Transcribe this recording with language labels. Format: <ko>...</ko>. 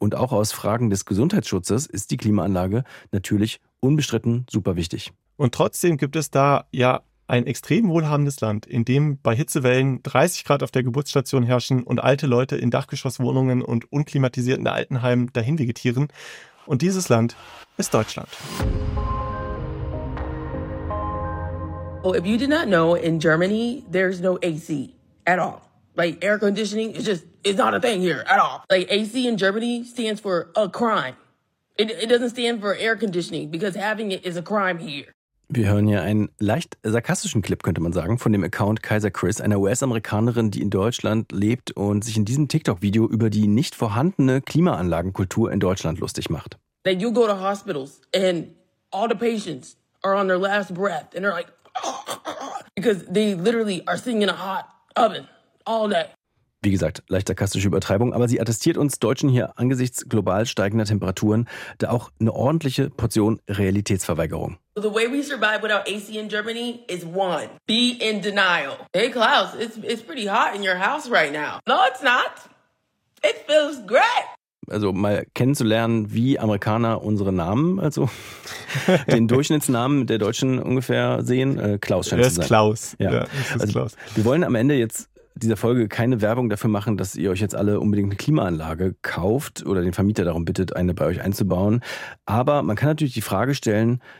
<de>Und auch aus Fragen des Gesundheitsschutzes ist die Klimaanlage natürlich unbestritten super wichtig. Und trotzdem gibt es da ja ein extrem wohlhabendes Land, in dem bei Hitzewellen 30 Grad auf der Geburtsstation herrschen und alte Leute in Dachgeschosswohnungen und unklimatisierten Altenheimen dahin vegetieren. Und dieses Land ist Deutschland.</de> <en>Oh, if you did not know, in Germany, there's no AC at all. Like, air conditioning is just, it's not a thing here at all. Like, AC in Germany stands for a crime. It doesn't stand for air conditioning, because having it is a crime here.</en> <de>Wir hören hier einen leicht sarkastischen Clip, könnte man sagen, von dem Account Kaiser Chris, einer US-Amerikanerin, die in Deutschland lebt und sich in diesem TikTok-Video über die nicht vorhandene Klimaanlagenkultur in Deutschland lustig macht.</de> <en>Then you go to hospitals and all the patients are on their last breath and they're like, because they literally are sitting in a hot oven all day.</en> <de>Wie gesagt, leicht sarkastische Übertreibung, aber sie attestiert uns Deutschen hier angesichts global steigender Temperaturen da auch eine ordentliche Portion Realitätsverweigerung.</de> <en>The way we survive without AC in Germany is one, be in denial. Hey Klaus, it's pretty hot in your house right now. No, it's not. It feels great.</en> <de>Also mal kennenzulernen, wie Amerikaner unsere Namen, also den Durchschnittsnamen der Deutschen ungefähr sehen. Klaus scheint es zu sein. Klaus. Ja. Ja, ist also Klaus. Wir wollen am Ende jetzt dieser Folge keine Werbung dafür machen, dass ihr euch jetzt alle unbedingt eine Klimaanlage kauft oder den Vermieter darum bittet, eine bei euch einzubauen. Aber man kann natürlich die Frage stellen,</de>